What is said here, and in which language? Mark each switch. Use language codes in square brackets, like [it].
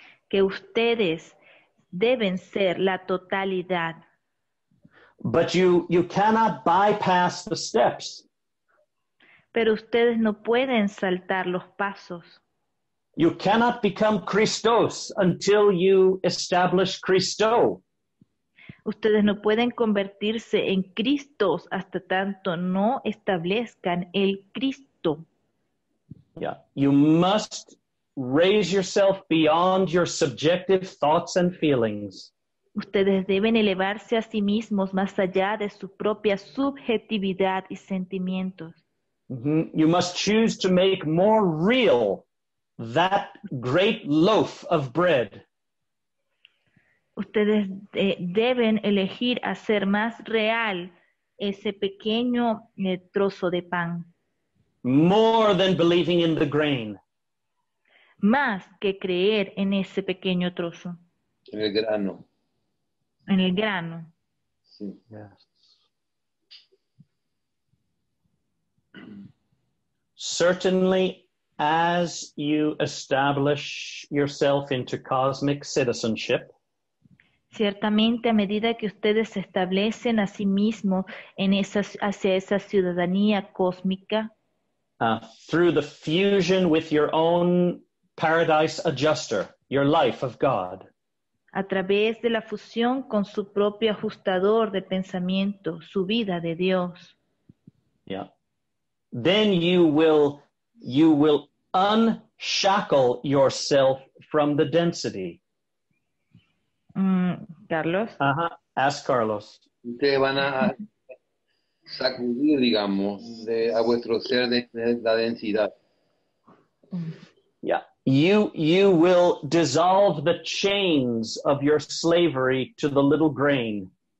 [es] Que ustedes deben ser la totalidad. [en] But you cannot bypass the steps. [es] Pero ustedes no pueden saltar los pasos. [en] You cannot become Christos until you establish Cristo. [es] Ustedes no pueden convertirse en Cristos hasta tanto no establezcan el Cristo. [en] Yeah, you must raise yourself beyond your subjective thoughts and feelings. [es] Ustedes deben elevarse a sí mismos más allá de su propia subjetividad y sentimientos. [en] You must choose to make more real that great loaf of bread. [es] Ustedes deben elegir hacer más real ese pequeño trozo de pan. [en] More than believing in the grain. [es] Más que creer en ese pequeño trozo. En el grano. En el grano. Sí, yes. [en] Certainly, as you establish yourself into cosmic citizenship, [es] ciertamente a medida que ustedes se establecen a sí mismos en hacia esa ciudadanía cósmica, [en] through the fusion with your own paradise adjuster, your life of God, [es] a través de la fusión con su propio ajustador de pensamiento, su vida de Dios. [en] Yeah. Then you will unshackle yourself from the density. Carlos. Uh-huh. Ask Carlos. [es] Te van a sacudir, digamos, a vuestro ser de la densidad. [en] Yeah. You will dissolve the chains of your slavery to the little grain.